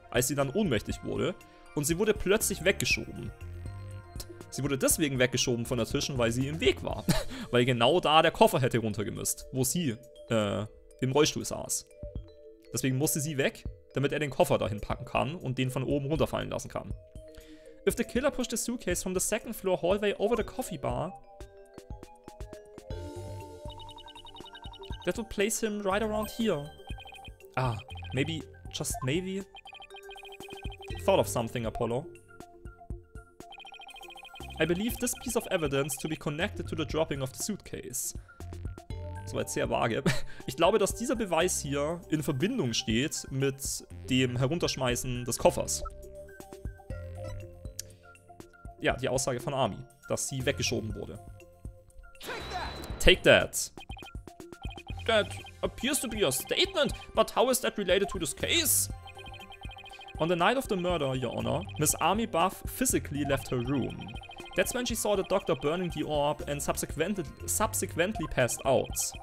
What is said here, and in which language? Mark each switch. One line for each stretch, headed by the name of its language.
German: als sie dann ohnmächtig wurde. Und sie wurde plötzlich weggeschoben. Sie wurde deswegen weggeschoben von der Tischen, weil sie im Weg war. Weil genau da der Koffer hätte runtergemisst, wo sie im Rollstuhl saß. Deswegen musste sie weg, damit er den Koffer dahin packen kann und den von oben runterfallen lassen kann.
English: If the killer pushed the suitcase from the second floor hallway over the coffee bar, that would place him right around here. Ah, maybe, just maybe. Thought of something, Apollo. I believe this piece of evidence to be connected to the dropping of the suitcase.
German: Soweit sehr vage. Ich glaube, dass dieser Beweis hier in Verbindung steht mit dem Herunterschmeißen des Koffers. Ja, die Aussage von Ami, dass sie weggeschoben wurde.
English: Take that! That appears to be a statement, but how is that related to this case? On the night of the murder, Your Honor, Miss Ami Buff physically left her room. That's when she saw the doctor burning the orb and subsequently passed out.